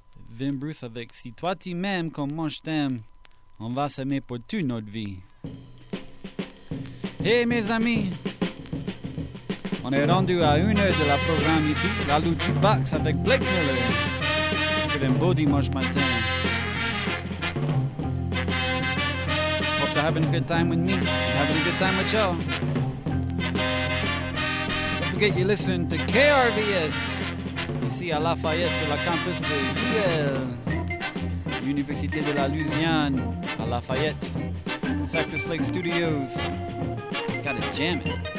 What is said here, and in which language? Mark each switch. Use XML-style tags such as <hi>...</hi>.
<fr>Vim Bruce avec Si toi tu m'aimes comme moi je t'aime, on va s'aimer pour toute notre vie. Hey mes amis, on est rendu à 1h de la programme ici, la lutte Bucks avec Blake Miller. C'est un beau dimanche matin.</fr> <en>Hope you're having a good time with me, you're having a good time with y'all. Don't forget you're listening to KRVS.</en> <fr>Ici à Lafayette, sur la campus de UL, Université de la Louisiane, à Lafayette, Cypress Lake Studios.</fr> <en>Gotta jam it.</en>